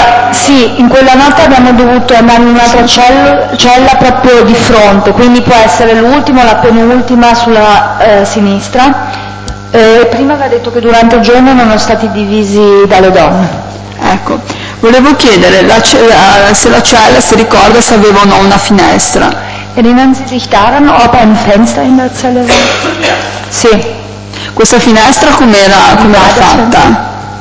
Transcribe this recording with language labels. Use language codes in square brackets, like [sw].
[it] Sì, in quella notte abbiamo dovuto andare in un'altra cella proprio di fronte, quindi può essere l'ultima o la penultima sulla sinistra. Prima aveva detto che durante il giorno erano stati divisi dalle donne. Ecco. Volevo chiedere se la cella si ricorda se aveva o no una finestra. [de] Erinnern Sie sich daran, ob ein Fenster in der Zelle war? [it] Sì. Questa finestra com'era, com'era fatta?